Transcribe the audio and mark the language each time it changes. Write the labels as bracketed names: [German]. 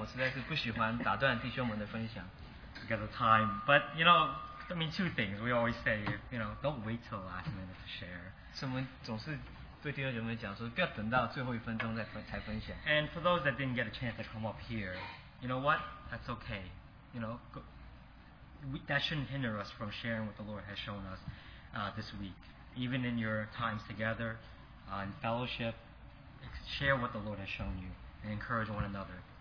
[Chinese] 像我弟兄刚才所分享，我实在是不喜欢打断弟兄们的分享 [English] because of time. But you know, I mean, two things we always say, you know, don't wait till the last minute to share. [Chinese] 所以我们总是对弟兄们讲说，不要等到最后一分钟再分享。 [English] And for those that didn't get a chance to come up here, you know what? That's okay. You know, that shouldn't hinder us from sharing what the Lord has shown us this week. Even in your times together, in fellowship, share what the Lord has shown you and encourage one another.